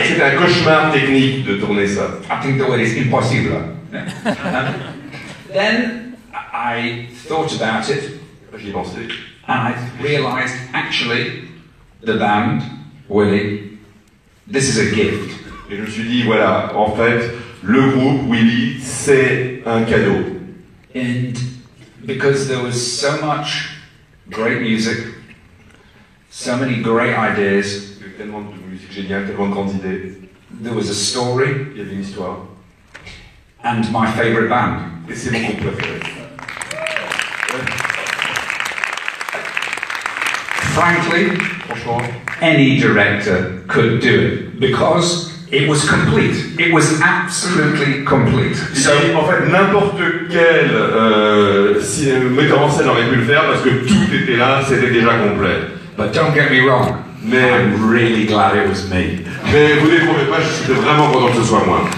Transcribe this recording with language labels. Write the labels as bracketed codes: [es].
[fr] c'est un cauchemar technique de tourner ça. [en] I think the word is impossible. Yeah. Then I thought about it. [fr] J'y pensais. [en] And I realized actually the band, Willie, this is a gift. [fr] Et je me suis dit voilà, en fait, le groupe Willie, c'est un cadeau. [en] And because there was so much great music. So many great ideas. [fr] Tellement de musique géniale, tellement de grandes idées. [en] There was a story. [fr] Il y avait une histoire. [en] And my favorite band. [fr] Et c'est mon groupe préféré. [en] Frankly, [fr] franchement, [en] any director could do it because it was complete. It was absolutely complete. [fr] So, en fait, n'importe quel metteur en scène aurait pu le faire parce que tout était là, c'était déjà complet. [en] But don't get me wrong, [fr] mais [en] I'm really glad it was me. [fr] Mais vous ne trouvez pas, je suis vraiment content que ce soit moi.